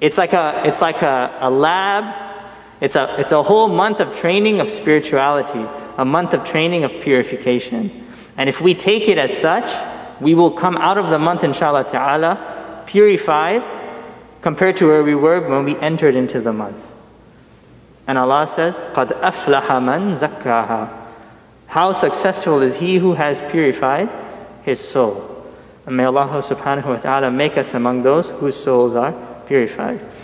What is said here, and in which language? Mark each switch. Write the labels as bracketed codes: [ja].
[en] It's like a lab. It's a whole month of training of spirituality, a month of training of purification. And if we take it as such, we will come out of the month, inshallah ta'ala, purified compared to where we were when we entered into the month. And Allah says, [ar] قَدْ أَفْلَحَ مَنْ زَكَّاهَا. [en] How successful is he who has purified his soul. And may Allah subhanahu wa ta'ala make us among those whose souls are purified.